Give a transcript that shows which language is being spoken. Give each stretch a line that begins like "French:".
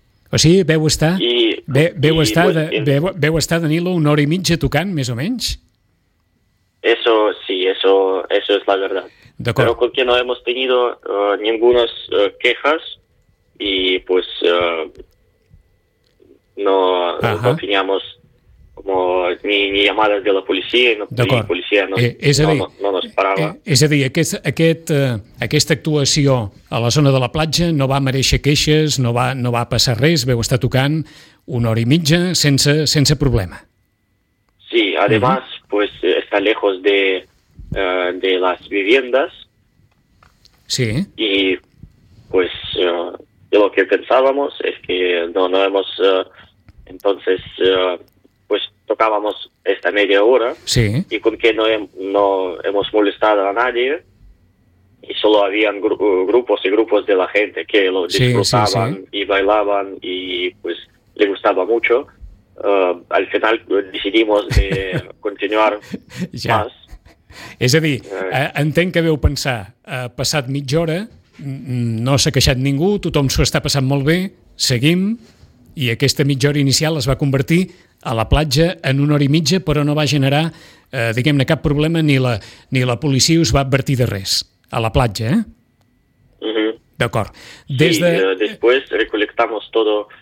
Catalan: O sigui, veu estar, veu estar, Danilo, una hora i mitja tocant, més o menys?
Spanish: Eso sí, eso es la verdad.
Catalan: D'acord.
Spanish: Pero con que no hemos tenido ningunas quejas y pues no teníamos como ni llamadas de la policía y la policía no nos paraba.
Catalan: És a dir, aquesta actuació a la zona de la platja no va mereixer queixes, no va passar res, veu estar tocant una hora i mitja sense problema.
Spanish: Sí, además, uh-huh. Pues está lejos de las viviendas. Sí. Y pues lo que pensábamos es que no hemos entonces pues tocábamos esta media hora. Sí. Y con que no hemos molestado a nadie y solo habían grupos y grupos de la gente que lo disfrutaban, sí, sí, sí. Y bailaban y pues le gustaba mucho. Al final decidimos de continuar ja. Más.
Catalan: És a dir, entenc que veu pensar, ha passat mitja hora, no s'ha queixat ningú, tothom s'ho està passant molt bé, seguim, i aquesta mitja hora inicial es va convertir a la platja en una hora i mitja, però no va generar, diguem-ne, cap problema, ni la policia us va advertir de res, a la platja, eh? Uh-huh. D'acord.
Spanish: Sí, después recolectamos todo